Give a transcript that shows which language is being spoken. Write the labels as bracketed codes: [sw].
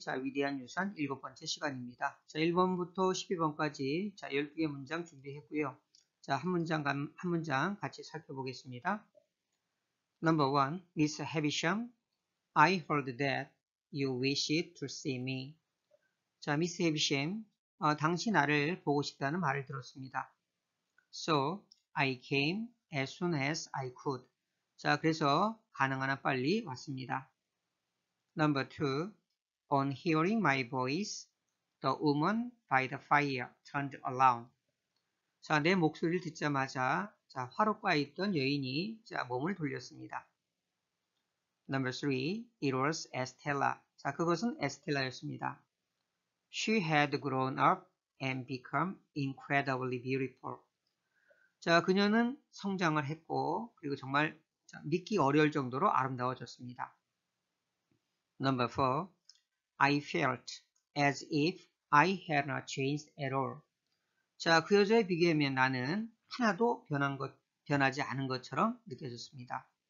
[ko] 자, 위대한 유산 일곱 번째 시간입니다. 자, 1번부터 12번까지 자, 12개 문장 준비했고요. 자, 한 문장 같이 살펴보겠습니다. [en] Number one, Mr. Havisham, I heard that you wished to see me. [ko] 자, Mr. Havisham, 당신 나를 보고 싶다는 말을 들었습니다. [en] So, I came as soon as I could. [ko] 자, 그래서 가능한 한 빨리 왔습니다. [en] Number two, on hearing my voice, the woman by the fire turned around. [ko] 자, 내 목소리를 듣자마자, 자, 화롯바에 있던 여인이, 자, 몸을 돌렸습니다. [en] Number three, it was Estella. [ko] 자, 그것은 에스텔라였습니다. [en] She had grown up and become incredibly beautiful. [ko] 자, 그녀는 성장을 했고, 그리고 정말 자, 믿기 어려울 정도로 아름다워졌습니다. [en] Number four, I felt as if I had not changed at all. [ko] 자, 그 여자에 비교하면 나는 하나도 변하지 않은 것처럼 느껴졌습니다.